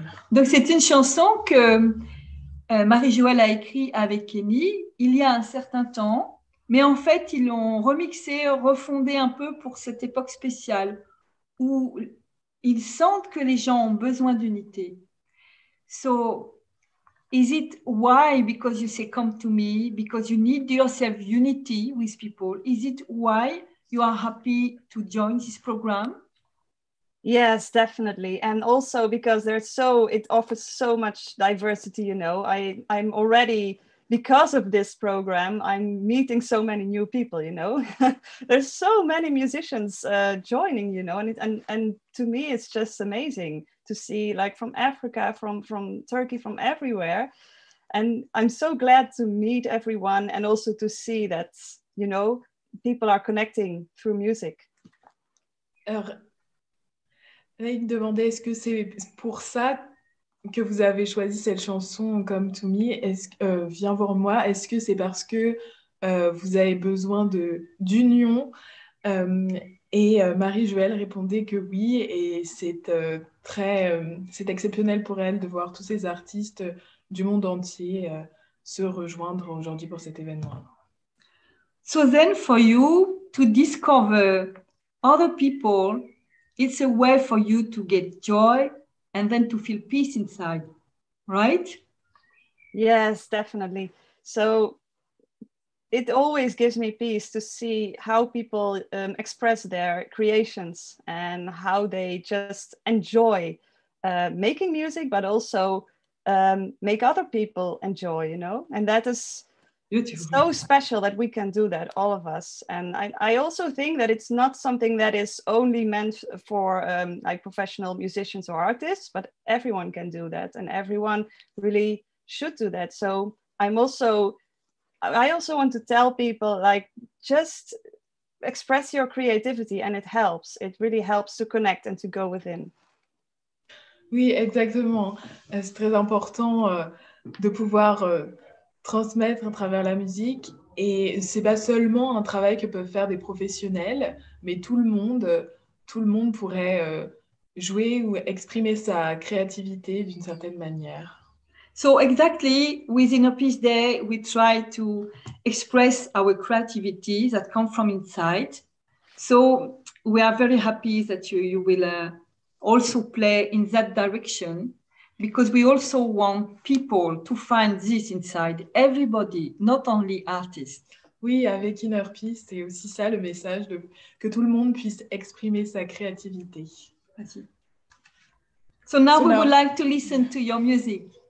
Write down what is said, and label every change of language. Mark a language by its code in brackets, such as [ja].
[fr] Donc c'est une chanson que Marie-Joëlle a écrit avec Kenny il y a un certain temps, mais en fait ils l'ont remixé, refondé un peu pour cette époque spéciale où ils sentent que les gens ont besoin d'unité. [en] So, is it why, because you say come to me, because you need yourself unity with people, is it why you are happy to join this program? Yes, definitely. And also because there's so, it offers so much diversity, you know, I'm already, because of this program, I'm meeting so many new people, you know, there's so many musicians joining, you know, and to me, it's just amazing to see like from Africa, from Turkey, from everywhere. And I'm so glad to meet everyone and also to see that, you know, people are connecting through music. [fr] Anaïc demandait, est-ce que c'est pour ça que vous avez choisi cette chanson Come to Me, Viens voir moi, est-ce que c'est parce que vous avez besoin d'union et Marie-Joëlle répondait que oui, et c'est très, c'est exceptionnel pour elle de voir tous ces artistes du monde entier se rejoindre aujourd'hui pour cet événement. [en] So then for you to discover other people, it's a way for you to get joy and then to feel peace inside, right? Yes, definitely. So it always gives me peace to see how people express their creations and how they just enjoy making music, but also make other people enjoy, you know? And that is so special that we can do that, all of us. And I also think that it's not something that is only meant for like professional musicians or artists, but everyone can do that and everyone really should do that. So I also want to tell people, like, just express your creativity and it helps. It really helps to connect and to go within. [fr] Oui, exactement. C'est très important de pouvoir transmettre à travers la musique. Et c'est pas seulement un travail que peuvent faire des professionnels, mais tout le monde pourrait jouer ou exprimer sa créativité d'une certaine manière. [en] So exactly, within a peace day, we try to express our creativity that comes from inside. So we are very happy that you will also play in that direction, because we also want people to find this inside, everybody, not only artists. [fr] Oui, avec Inner Peace, c'est aussi ça le message, de que tout le monde puisse exprimer sa créativité. Merci. [en] So now we would like to listen to your music.